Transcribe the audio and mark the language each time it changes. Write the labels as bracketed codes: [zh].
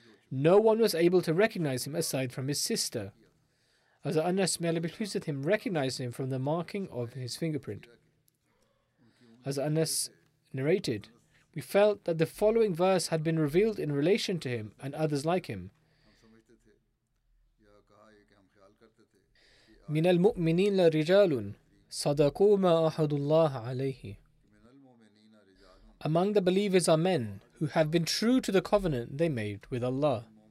[en] No one was able to recognize him aside from his sister. As Anas, may Allah be pleased with him, recognized him from the marking of his fingerprint. As Anas narrated, we felt that the following verse had been revealed in relation to him and others like him. [ar] من المؤمنين رجال صدقوا ما أحد الله عليه. [en] Among the believers are men who have been true to the covenant they made with Allah.